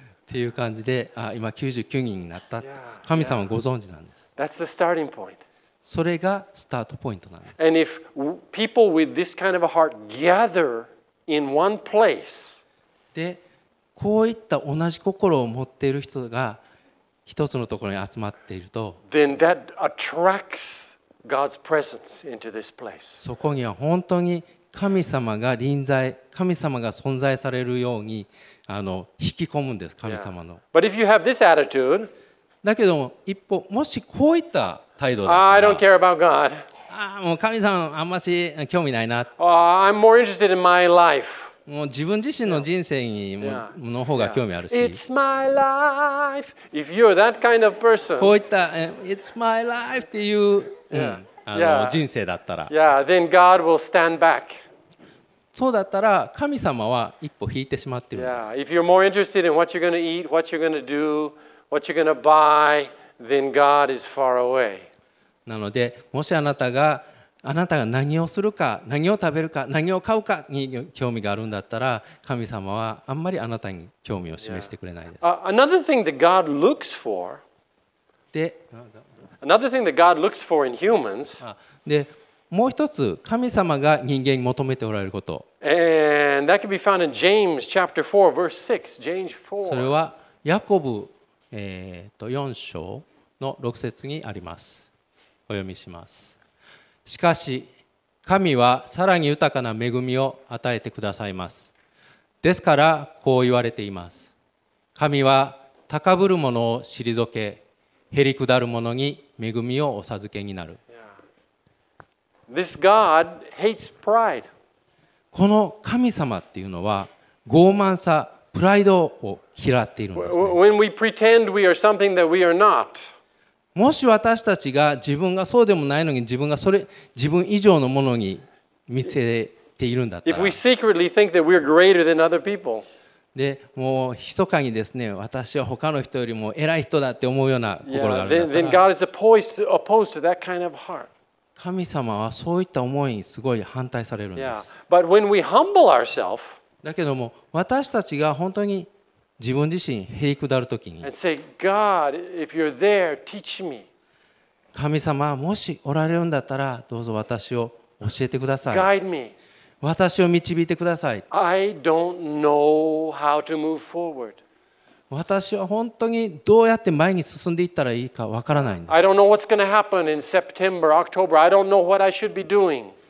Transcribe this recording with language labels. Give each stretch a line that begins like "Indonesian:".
Japanese: っていう感じで、あ、今99人になった。神様ご存知なんです。
English: That's the starting point.
Japanese: それがスタートポイントなんです。
English: And if people with this kind of a heart gather in one place,
Japanese: で、こういった同じ心を持っている人が一つのところに集まっていると、
English: then that attracts God's presence into this place.
Japanese: そこには本当に神様が臨在、神様が存在されるように、あの、引き込むんです、神様の。
English: Yeah. But if you have this attitude,
Japanese: だけども一方、もしこういった態度だ
English: ったら、I don't care about God.
Japanese: あ、もう神様あんまし興味ないな。
English: I'm more interested in my life.
Japanese: もう自分自身の人生にも、yeah. の方が興味あるし。
English: Yeah. It's my life. If you're that kind of person,
Japanese: こういった
English: It's my life
Japanese: っていう、yeah. うん、Yeah. 人生だったら、
English: yeah. then God will stand back.
Japanese: そうだったら神様は一歩引いてしまっているんです。
English: Yeah. If you're more interested in what you're going to eat, what you're going to do, what you're going to buy, then God is far away.
Japanese: なので、もしあなたが何をするか、何を食べるか、何を買うかに興味があるんだったら、神様はあんまりあなたに興味を示してくれないです。
English: Yeah. Another thing that God looks for.
Japanese: で、
English: Another thing that God looks for in humans.
Japanese: で、もう一つ神様が人間に求めておられること。
English: And that can be found in James chapter 4 verse 6. James 4.
Japanese: それはヤコブ、4章の6節にあります。お読みします。しかし神はさらに豊かな恵みを与えてくださいます。ですからこう言われています。神は高ぶる者を退け、へり下る者に恵みをお授けになる。
English: This God hates pride.
Japanese: この神様っていうのは傲慢さ、プライドを嫌っているんですね。
English: When we pretend we are something that we are not.
Japanese: もし私たちが自分がそうでもないのに、自分がそれ、自分以上のものに見せているんだったら、
English: If we secretly think that we are greater than other people.
Japanese: で、もう密かにですね、私は他の人よりも偉い人だって思うような心があるんだったら、
English: Then God is opposed to that kind of heart.
Japanese: 神様はそういった思いにすごい反対されるんです。
English: Yeah. But when we humble ourselves,
Japanese: だけども私たちが本当に自分自身へり下るときに、
English: And say, God, if you're there, teach me.
Japanese: 神様はもしおられるんだったら、どうぞ私を教えてください。
English: Guide me.
Japanese: 私を導いてください。
English: I don't know how to move forward.
Japanese: 私は本当にどうやって前に進んでいったらいいかわからないんです。
English: I don't know what's going to happen in September, October. I don't know what I should be doing.